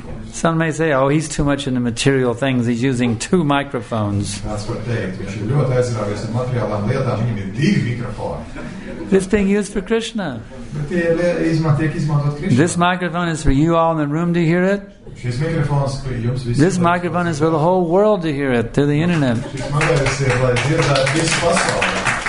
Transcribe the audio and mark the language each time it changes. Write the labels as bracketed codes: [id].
[en] Some may say, oh, he's too much into material things. He's using two microphones. That's what they do. [lv] Viņš ir ļoti aizrāvies ar materiālām lietām. Viņam ir divi mikrofoni. [en] This being used for Krishna. [lv] Bet tie tiek izmantot Krishna. [en] This microphone is for you all in the room to hear it. [lv] Šis mikrofons ir jums visiem. [en] This microphone is for the whole world to hear it, through the internet. [lv] Šis mikrofons ir, lai dzirdētu visu pasauli.